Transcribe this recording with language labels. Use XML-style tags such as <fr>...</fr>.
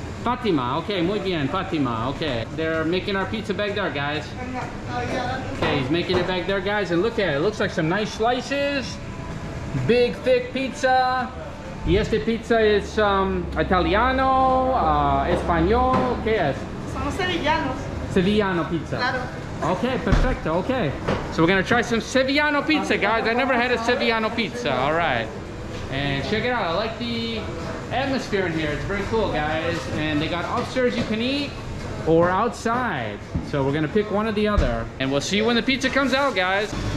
<es>Fatima, okay, muy bien, Fatima, okay.</es> <en>They're making our pizza back there, guys. Okay, he's making it back there, guys, and look at it. It looks like some nice slices. Big, thick pizza.</en> <es>Y este pizza es Italiano, Español, ¿qué es? Son sevillanos.</es> <en>Sevillano pizza.</en> <es>Claro. Okay, perfecto, okay.</es> <en>So we're gonna try some Sevillano pizza, guys. I never had a Sevillano pizza, all right. And check it out, I like the atmosphere in here. It's very cool, guys. And they got upstairs you can eat or outside. So we're gonna pick one or the other. And we'll see when the pizza comes out, guys.</en>